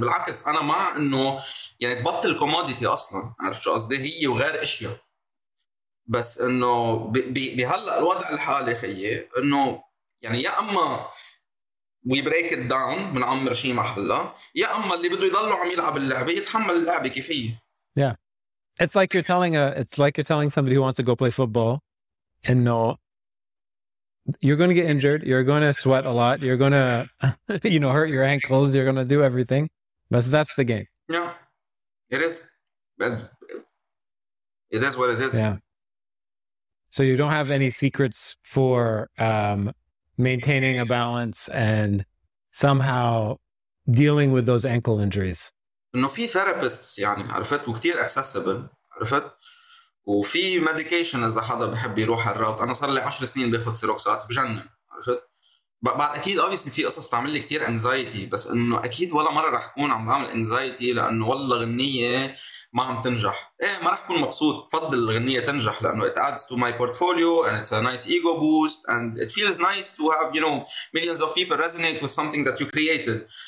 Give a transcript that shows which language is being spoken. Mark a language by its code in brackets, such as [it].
[ar] بالعكس أنا مع إنه يعني تبطل commodity أصلاً. عارف شو قصدي هي وغير أشياء. بس انه بهلا الوضع الحالي خيي انه يعني يا اما [en] we break it down [ar] بنعمر شيء محله يا اما اللي بده يضلوا عم يلعب اللعبه يتحمل اللعبه كيفيه [en] yeah it's like you're telling somebody who wants to go play football and no you're going to get injured you're going to sweat a lot you're going to you know hurt your ankles you're going to do everything but that's the game yeah it is what it is yeah. So you don't have any secrets for maintaining a balance and somehow dealing with those ankle injuries. [ar] No, في therapists يعني عرفت وكتير accessible عرفت وفي medication إذا حدا بحب يروح الروت أنا صار لي 10 سنين بأخذ سيروكسات بجنن عرفت بعد أكيد obviously في قصص بتعمل لي كتير anxiety بس إنه أكيد ولا مرة رح أكون عم بعمل anxiety لأنه والله غنية ما عم تنجح إيه ما رح أكون مبسوط فضل الغنية تنجح لأنه [en] it adds to my portfolio and it's a nice ego boost and it feels nice to have you know millions of people resonate with something that you created